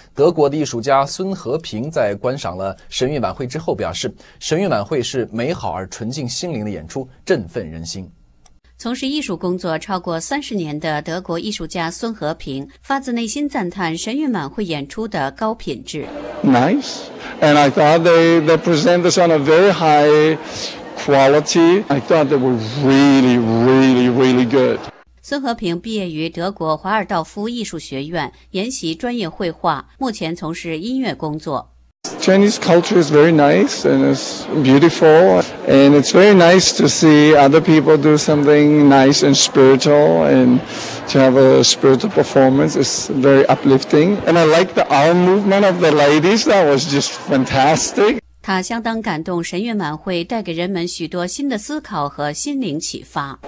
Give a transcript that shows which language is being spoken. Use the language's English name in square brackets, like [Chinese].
[Chinese] 德国的艺术家孙和平在观赏了神韵晚会之后表示，神韵晚会是美好而纯净心灵的演出，振奋人心。从事艺术工作超过30年的德国艺术家孙和平发自内心赞叹神韵晚会演出的高品质。 [English] Nice, and I thought they present us on a very highQuality. I thought they were really, really, really good. [Chinese] 孙和平毕业于德国华尔道夫艺术学院，研习专业绘画，目前从事音乐工作。 [English] Chinese culture is very nice and it's beautiful, and it's very nice to see other people do something nice and spiritual, and to have a spiritual performance is very uplifting. And I like the arm movement of the ladies. That was just fantastic. [Chinese] 他相当感动，神韵晚会带给人们许多新的思考和心灵启发。